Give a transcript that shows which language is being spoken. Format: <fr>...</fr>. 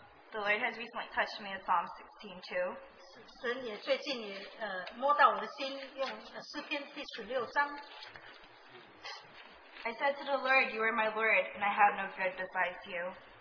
<en>The Lord has recently touched me in Psalm 16:2.</en> <zh>神也最近也摸到我的心，用诗篇第十六章。</zh> <en>I said to the Lord, You are my Lord, and I have no good besides you.</en>